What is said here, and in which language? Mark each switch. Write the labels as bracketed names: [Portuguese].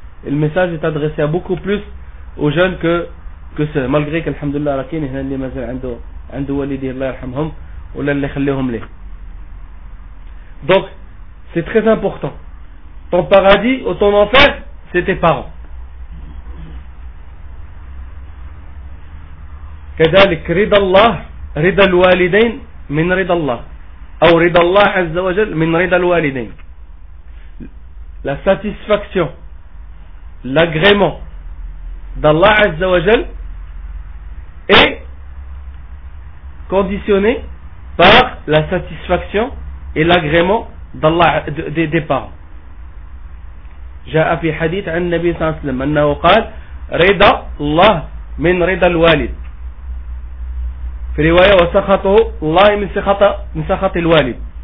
[French] Et le message est adressé à beaucoup plus aux jeunes que ceux, malgré qu'alhamdoulilah, il y en a qui ont encore walidi, Allah yarhamhum, ou là, ils les laissent. Donc, c'est très important. Ton paradis ou ton enfer, c'est tes parents. [Arabic] كذلك رضا الله رضا الوالدين من رضا الله أو رضا الله عز وجل من رضا الوالدين. [French] La satisfaction, l'agrément d'Allah عز وجل est conditionné par la satisfaction et l'agrément d'Allah des parents. [Arabic] جاء في حديث عن النبي صلى الله عليه وسلم أنه قال رضا الله من رضا الوالد. في رواية وسخطه الله من سخط الوالد.